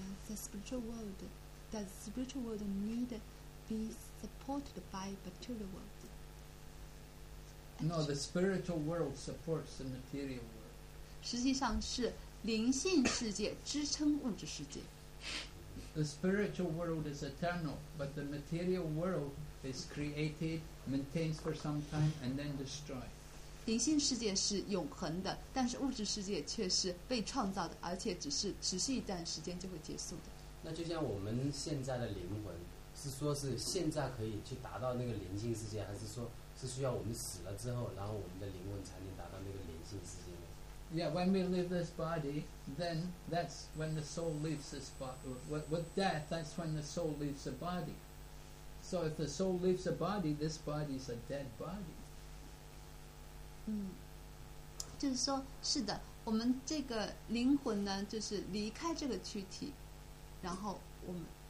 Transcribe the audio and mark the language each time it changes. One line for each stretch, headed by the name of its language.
English: The spiritual world, does the spiritual world need be supported by material world? No, the spiritual world supports the material world.
Chinese: 实际上是灵性世界支撑物质世界。
English: The spiritual world is eternal, but the material world is created, maintains for some time, and then destroyed.
Chinese: 灵性世界是永恒的，但是物质世界却是被创造的，而且只是持续一段时间就会结束的。那就像我们现在的灵魂，是说是现在可以去达到那个灵性世界，还是说是需要我们死了之后，然后我们的灵魂才能达到那个灵性世界呢？
English: Yeah, when we leave this body, then that's when the soul leaves this body. With death, that's when the soul leaves the body. So if the soul leaves the body, this body is a dead body.
Chinese: 就是说，是的，我们这个灵魂呢，就是离开这个躯体，然后我们。